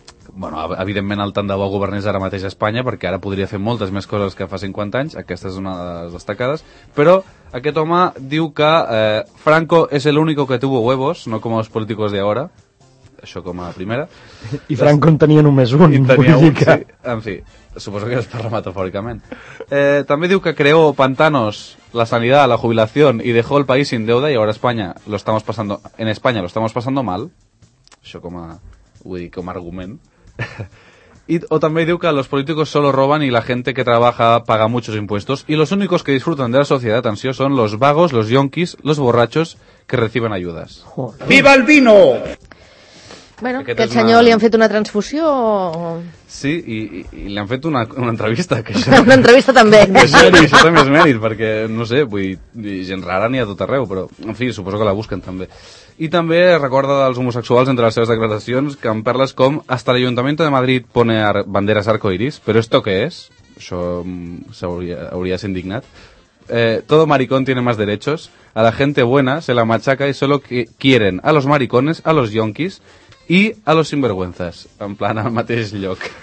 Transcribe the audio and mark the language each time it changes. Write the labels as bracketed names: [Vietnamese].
[Catalan] Bueno, evidentment el tant de bo governés ara mateix a Espanya, perquè ara podria fer moltes més coses que fa 50 anys, aquesta és una de les destacades, però aquest home diu que Franco és l'únic que tuvo huevos, no com els políticos d'ara, això com a primera. I Franco en tenia només un. I tenia un, que... sí. En fi, suposo que es parla metafòricament. [Spanish] També diu que creó pantanos, la sanidad, la jubilación, y dejó el país sin deuda, y ahora en España lo estamos pasando mal, això com a... Vull dir, com a argument. O també diu que los políticos solo roban y la gente que trabaja paga muchos impuestos y los únicos que disfrutan de la sociedad, atención, son los vagos, los yonquis, los borrachos que reciben ayudas. Joder. ¡Viva el vino! [Catalan] Bueno, aquest que el senyor una... li han fet una transfusió o... Sí, i li han fet una entrevista. Que això... Una entrevista també. Això també és mèrit, perquè, no sé, vull dir, gent rara n'hi ha tot arreu, però, en fi, suposo que la busquen també. I també recorda dels homosexuals entre les seves declaracions que en perles com hasta el Ayuntamiento de Madrid pone banderas arcoiris, però esto qué es? Això s'hauria indignat. [Spanish] Todo maricón tiene más derechos, a la gente buena se la machaca y solo quieren a los maricones, a los yonquis y a los sinvergüenzas, en plan al mateix lloc.